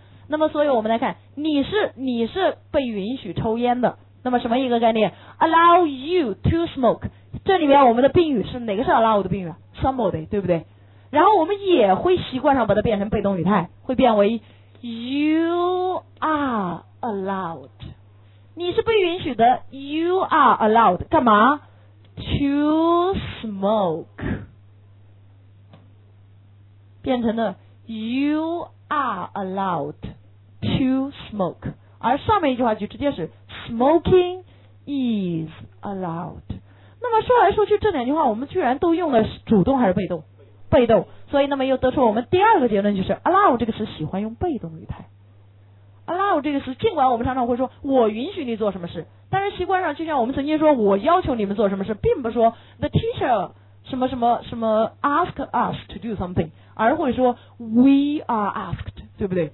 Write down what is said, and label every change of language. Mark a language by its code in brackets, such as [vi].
[zh] 那么所以我们来看，你是被允许抽烟的，那么什么一个概念？ [en] allow you to smoke， [zh] 这里面我们的宾语是哪个是 allow 的宾语？somebody， 对不对？然后我们也会习惯上把它变成被动语态，会变为 [en] you are allowed， [zh] 你是被允许的， [en] you are allowed [zh] 干嘛？ [en] to smoke， [zh] 变成了 [en] You are allowed to smoke， [zh] 而上面一句话就直接是 [en] smoking is allowed。 [zh] 那么说来说去这两句话我们居然都用了主动还是被动？被动。所以那么又得出我们第二个结论，就是 allow 这个词喜欢用被动语态。 allow 这个词尽管我们常常会说我允许你做什么事，但是习惯上就像我们曾经说我要求你们做什么事，并不说 [en] the teacher [zh] 什么什么什么 [en] ask us to do something， [zh] 而会说 [en] we are asked， [zh] 对不对？